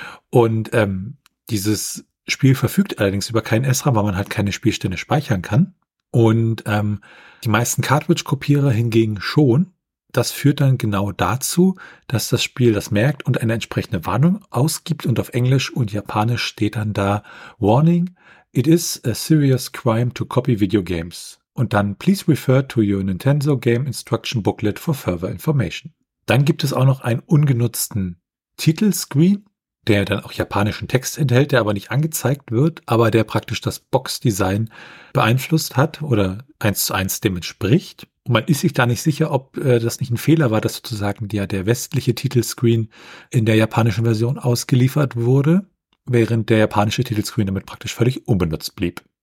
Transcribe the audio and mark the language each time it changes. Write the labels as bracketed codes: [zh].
[de] Und dieses Spiel verfügt allerdings über keinen SRAM, weil man halt keine Spielstände speichern kann. Und die meisten Cartridge-Kopierer hingegen schon. Das führt dann genau dazu, dass das Spiel das merkt und eine entsprechende Warnung ausgibt. Und auf Englisch und Japanisch steht dann da Warning. [en] It is a serious crime to copy video games. [de] Und dann, [en] please refer to your Nintendo Game Instruction Booklet for further information. [de] Dann gibt es auch noch einen ungenutzten Titelscreen, der dann auch japanischen Text enthält, der aber nicht angezeigt wird, aber der praktisch das Boxdesign beeinflusst hat oder 1:1 dem entspricht. Und man ist sich da nicht sicher, ob das nicht ein Fehler war, dass sozusagen der westliche Titelscreen in der japanischen Version ausgeliefert wurde, während der japanische Titelscreen damit praktisch völlig unbenutzt blieb.